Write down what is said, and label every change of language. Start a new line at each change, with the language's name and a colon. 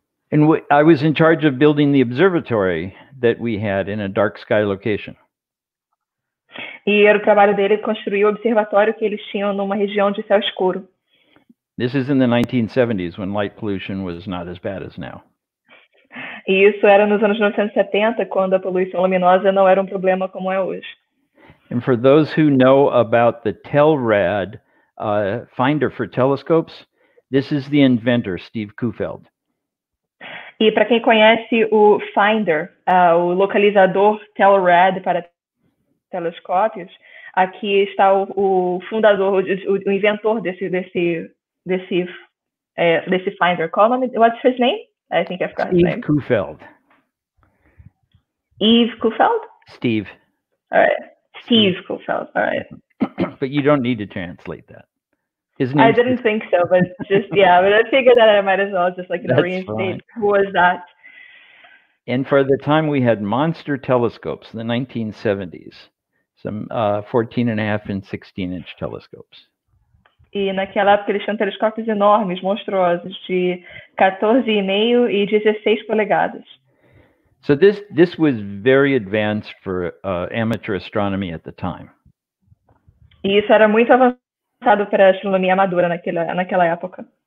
English: And I was in charge of building the observatory that we had in a dark sky location.
Portuguese: E era o trabalho dele construir o observatório que eles tinham numa região de céu escuro.
English: This is in the 1970s, when light pollution was not as bad as now.
Portuguese: E isso era nos anos 1970, quando a poluição luminosa não era um problema como é hoje.
English: And for those who know about the Telrad finder for telescopes, this is the inventor, Steve Kuhfeld.
Portuguese: E para quem conhece o Finder, o localizador Telrad para telescópios, aqui está o fundador, o inventor desse Finder. Qual o nome?
English: What's his name? I think I forgot his name. Steve Kuhfeld? Steve. All right. Steve Kuhfeld. All right. But you don't need to translate that. I didn't think so, but just, yeah, but I figured that I might as well just, like, reinstate who was that. And for the time, we had monster telescopes in the 1970s, some 14.5 and 16-inch telescopes.
Portuguese: E naquela época, eles tinham telescópios enormes, monstruosos, de 14.5 e 16 polegadas.
English: So this was very advanced for amateur astronomy at the time.
Portuguese: E isso era muito avançado para a astronomia amadora naquela época.